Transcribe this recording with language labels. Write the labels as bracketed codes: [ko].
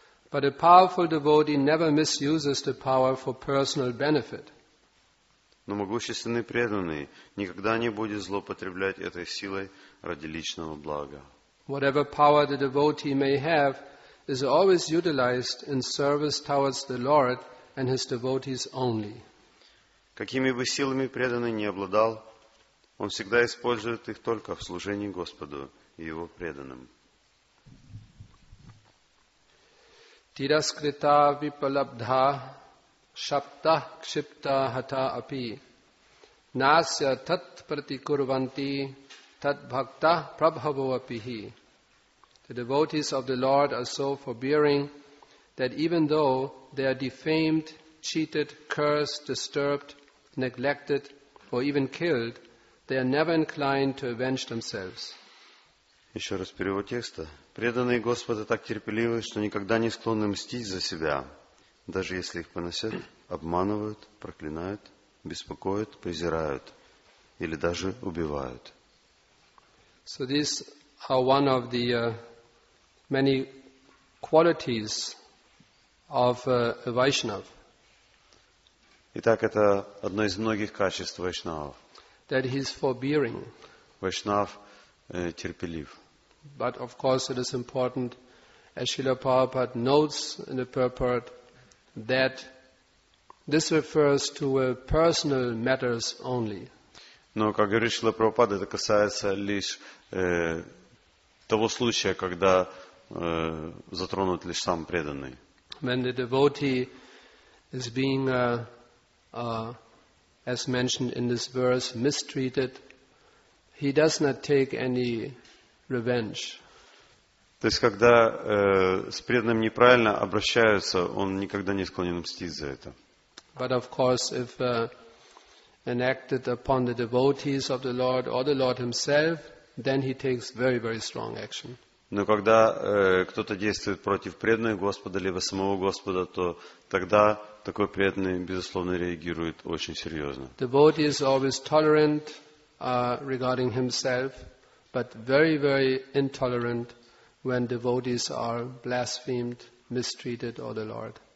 [en] But a powerful devotee never misuses the power for personal benefit. [ru] Но могущественный преданный никогда не будет злоупотреблять этой силой ради личного блага. [en] Whatever power the devotee may have is always utilized in service towards the Lord and his devotees only. [ru] Какими бы силами преданный ни обладал, он всегда использует их только в служении Господу и его преданным. [sa] Tiraskrita vipalabdha shapta kshipta hata api nasya tat pratikurvanti tat bhakta prabhavo apihi. [en] The devotees of the Lord are so forbearing that even though they are defamed, cheated, cursed, disturbed, neglected, or even killed, they are never inclined to avenge themselves. [ru] Еще раз перевод текста. Преданные Господа так терпеливы, что никогда не склонны мстить за себя, даже если их поносят, обманывают, проклинают, беспокоят, презирают или даже убивают. [en] So these are one of the many qualities of a Vaishnav. [ru] Итак, это одно из многих качеств Вайшнава. [en] That he is forbearing. [ru] Вайшнав терпелив. [en] But of course it is important, as Srila Prabhupada notes in the purport, that This refers to personal matters only. [ru] Но, как говорит Шрила Прабхупада, это касается лишь того случая, когда затронут лишь сам преданный. [en] When the devotee is being, as mentioned in this verse, mistreated, he does not take any revenge. [ru] То есть, когда с преданным неправильно обращаются, он никогда не склонен мстить за это. [en] But of course, if enacted upon the devotees of the Lord or the Lord Himself, then He takes very, very strong action. [ru] Но когда кто-то действует против преданного Господа либо самого Господа, то тогда такой преданный безусловно реагирует очень серьезно. [en] Devotee is always tolerant regarding himself, but very, very intolerant when devotees are blasphemed, mistreated, or the Lord.